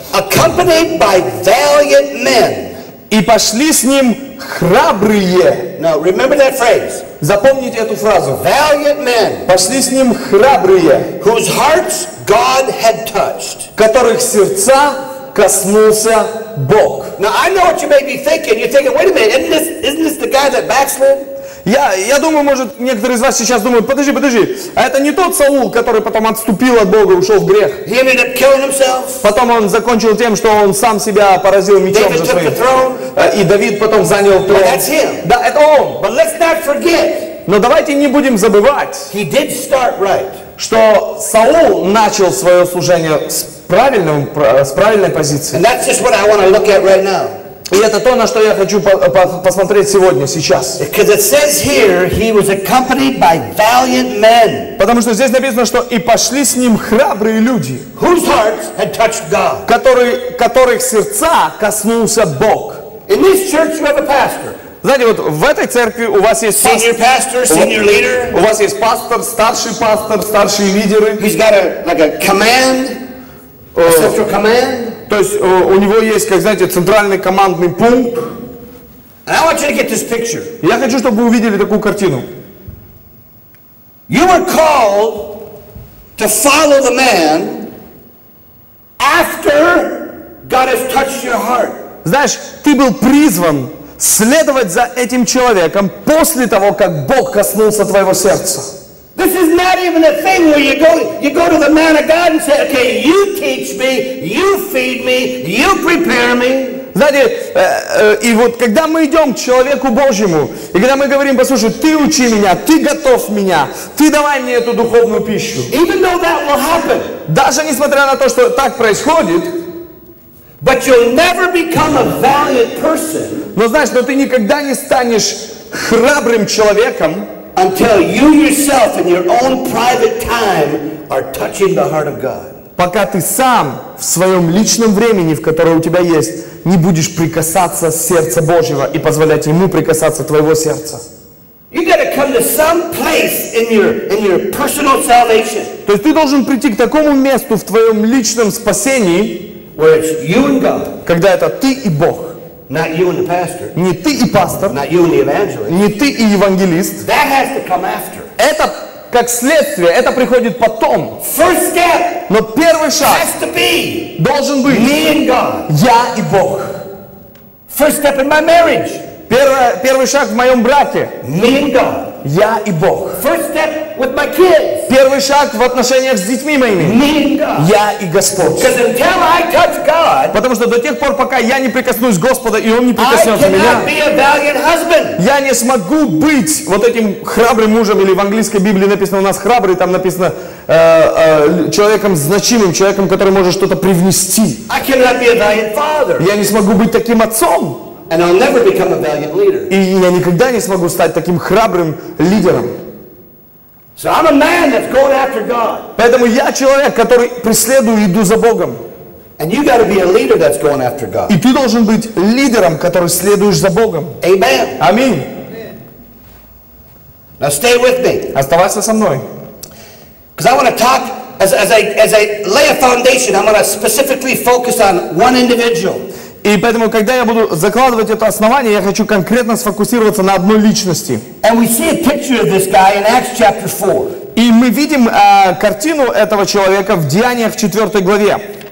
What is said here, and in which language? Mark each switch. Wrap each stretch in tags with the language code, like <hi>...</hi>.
<en>Accompanied by valiant men.</en> <ru>И пошли с ним храбрые.</ru> <en>Now remember that phrase.</en> <ru>Запомните эту фразу.</ru> <en>Valiant men.</en> <ru>Пошли с ним храбрые.</ru> <en>Whose hearts God had touched.</en> <ru>Которых сердца коснулся Бог.</ru> <en>Now I know what you may be thinking. You're thinking, wait a minute, isn't this the guy that backslid?</en> <ru>Я думаю, может, некоторые из вас сейчас думают, подожди, а это не тот Саул, который потом отступил от Бога и ушел в грех?</ru> <en>He ended up killing himself.</en> <ru>Потом он закончил тем, что он сам себя поразил мечом за своим. И Давид потом занял трон.</ru> <en>But that's him.</en> <ru>Да, это он.</ru> <en>But let's not forget.</en> <ru>Но давайте не будем забывать,</ru> <en>He did start right.</en> <ru>Что Саул начал свое служение с правильной позиции.</ru> <en>And that's just what I want to look at right now.</en> <ru>И это то, на что я хочу посмотреть сегодня, сейчас.</ru> <en>Because it says here he was accompanied by valiant men.</en> <ru>Потому что здесь написано, что и пошли с ним храбрые люди,</ru> <en>whose hearts had touched God.</en> <ru>Которых сердца коснулся Бог.</ru> <en>In this church you have a pastor.</en> <ru>Знаете, вот в этой церкви у вас есть</ru> <en>senior pastor, senior leader.</en> <ru>У вас есть пастор, старшие лидеры.</ru> <en>He's got a like a command. Central command.</en> <ru>То есть у него есть, как знаете, центральный командный пункт.</ru> <en>And I want you to get this picture.</en> <ru>Я хочу, чтобы вы увидели такую картину.</ru> <en>You were called to follow the man after God has touched your heart.</en> <ru>Знаешь, ты был призван следовать за этим человеком после того, как Бог коснулся твоего сердца.</ru> <en>This is not even a thing where you go to the man of God and say, okay, you teach me, you feed me, you prepare me.</en> <ru>Знаете, и вот когда мы идем к человеку Божьему, и когда мы говорим, послушай, ты учи меня, ты готовь меня, ты давай мне эту духовную пищу.</ru> <en>Even though that will happen.</en> <ru>Даже несмотря на то, что так происходит.</ru> <en>But you'll never become a valiant person.</en> <ru>Но знаешь, но ты никогда не станешь храбрым человеком.</ru> <en>Until you yourself in your own private time are touching the heart of God.</en> <ru>Пока ты сам в своем личном времени, в которое у тебя есть, не будешь прикасаться сердца Божьего и позволять ему прикасаться твоего сердца.</ru> <en>You gotta come to some place in your personal salvation.</en> <ru>То есть ты должен прийти к такому месту в твоем личном спасении,</ru> <en>where it's you and God.</en> <ru>Когда это ты и Бог.</ru> <en>Not you and the pastor.</en> <ru>Не ты и пастор.</ru> <en>Not you and the evangelist.</en> <ru>Не ты и евангелист.</ru> <en>That has to come after.</en> <ru>Это как следствие, это приходит потом.</ru> <en>First step.</en> <ru>Но первый шаг</ru> <en>has to be</en> <ru>должен быть</ru> <en>me and God.</en> <ru>Я и Бог.</ru> <en>First step in my marriage.</en> <ru>Первый шаг в моем браке.</ru> <en>Me and God.</en> <ru>Я и Бог.</ru> <en>First step with my kids.</en> <ru>Первый шаг в отношениях с детьми моими.</ru> <en>Me and God.</en> <ru>Я и Господь.</ru> <en>Because until I touch God,</en> <ru>потому что до тех пор, пока я не прикоснусь к Господу, и Он не прикоснется к меня,</ru> <en>be a valiant husband.</en> <ru>Я не смогу быть вот этим храбрым мужем, или в английской Библии написано у нас храбрый, там написано человеком значимым, человеком, который может что-то привнести.</ru> <en>I cannot be a valiant father.</en> <ru>Я не смогу быть таким отцом.</ru> <en>And I'll never become a valiant leader.</en> <ru>И я никогда не смогу стать таким храбрым лидером.</ru> <en>So I'm a man that's going after God.</en> <ru>Поэтому я человек, который преследую и иду за Богом.</ru> <en>And you gotta be a leader that's going after God.</en> <ru>И ты должен быть лидером, который следуешь за Богом.</ru> <en>Amen.</en> <ru>Аминь.</ru> <en>Now stay with me.</en> <ru>Оставайся со мной.</ru> <en>Because I want to talk as I lay a foundation. I'm going to specifically focus on one individual.</en> <ru>И поэтому, когда я буду закладывать это основание, я хочу конкретно сфокусироваться на одной личности.</ru> <en>And we see a picture of this guy in Acts chapter 4.</en> <ru>И мы видим картину этого человека в Деяниях в 4 главе.</ru>